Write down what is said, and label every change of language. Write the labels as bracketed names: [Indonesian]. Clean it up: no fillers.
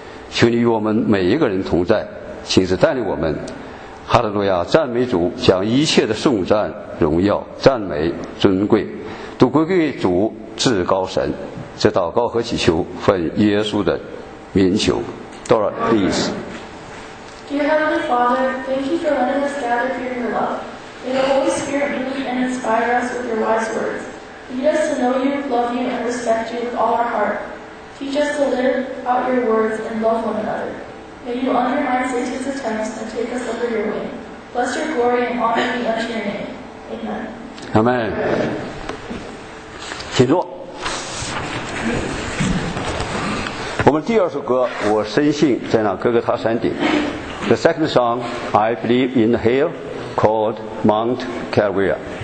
[Chinese] 求你与我们每一个人同在，亲自带领我们。哈利路亚，赞美主，将一切的颂赞、荣耀、赞美、尊贵都归给主至高神。这祷告和祈求奉耶稣的名求。 [English] Dora, please. Dear Heavenly Father, thank you for letting us gather here in your love. May the Holy Spirit lead and inspire us with your wise words. Lead us to know you, love you, and respect you with all our heart. Teach us to live out your words and love one another. May you undermine Satan's attempts and take us under your wing. Bless your glory and honor be unto your name. Amen. [Chinese] Amen. 请坐。我们第二首歌，我深信在那哥哥他山顶。 [English] The second song, I believe in the hill called Mount Calvary.